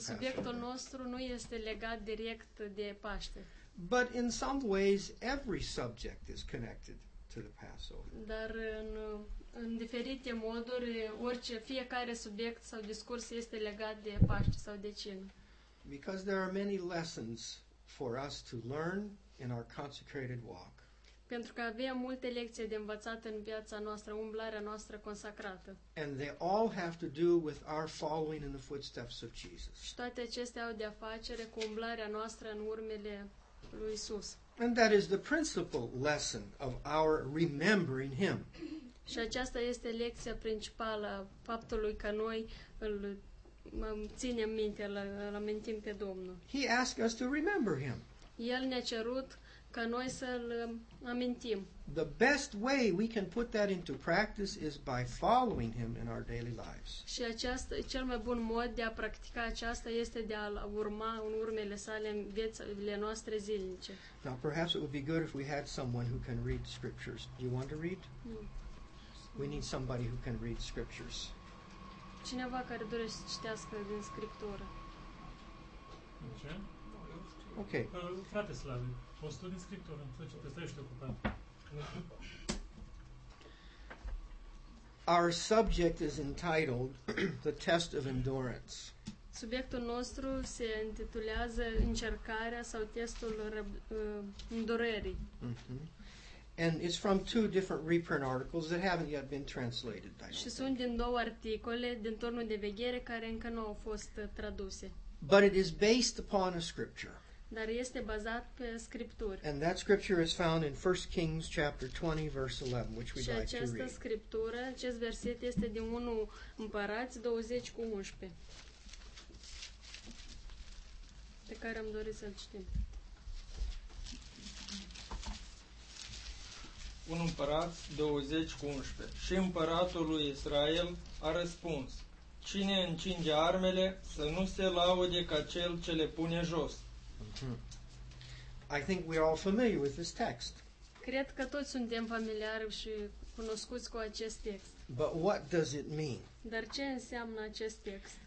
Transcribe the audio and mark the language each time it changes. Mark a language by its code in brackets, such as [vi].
[ro] Subiectul nostru nu este legat direct de Paște. [en] But in some ways, every subject is connected to the Passover. [ro] Dar în diferite moduri, orice fiecare subiect sau discurs este legat de Paște sau de cină. [en] Because there are many lessons for us to learn in our consecrated walk. [ro] Pentru că avem multe lecții de învățat în viața noastră, umblarea noastră consacrată. [en] And they all have to do with our following in the footsteps of Jesus. [ro] Și toate acestea au de a face cu umblarea noastră în urmele lui Isus. [en] And that is the principal lesson of our remembering him. [ro] Și aceasta este lecția principală a faptului că noi îl ținem minte, îl amintim pe Domnul. [en] He asked us to remember him. [ro] El ne-a cerut ca noi să-l amintim. [en] The best way we can put that into practice is by following him in our daily lives. [ro] Și aceasta, cel mai bun mod de a practica aceasta este de a urma în urmele sale în viețile noastre zilnice. [en] Now perhaps it would be good if we had someone who can read scriptures. Do you want to read? We need somebody who can read scriptures. [ro] Cineva care dorește să citească din scriptură. [en] Ok. [ro] Frate Slavi, poți tu din scriptură, înțelegi, stai și ocupat. [en] Our subject is entitled The Test of Endurance. [ro] Subiectul nostru se intitulează Încercarea sau testul îndurerii. [en] And it's from two different reprint articles that haven't yet been translated. [ro] Și sunt din două articole din turnul de veghere care încă nu au fost traduse. [en] But it is based upon a scripture. [ro] Dar este bazat pe scripturi. [en] And that scripture is found in 1 Kings chapter 20 verse 11, which we'd like to read. [ro] Și această scriptură, acest verset este din 1 Împărați 20 cu 11. Pe care am dorit să-l citim. 1 Împărați 20 cu 11. Și împăratul lui Israel a răspuns: cine încinge armele să nu se laude ca cel ce le pune jos. [en] I think we are all familiar with this text. [ro] Cred că toți suntem familiari și cunoscuți cu acest text. [en] But what does it mean? [ro] Dar ce înseamnă acest text?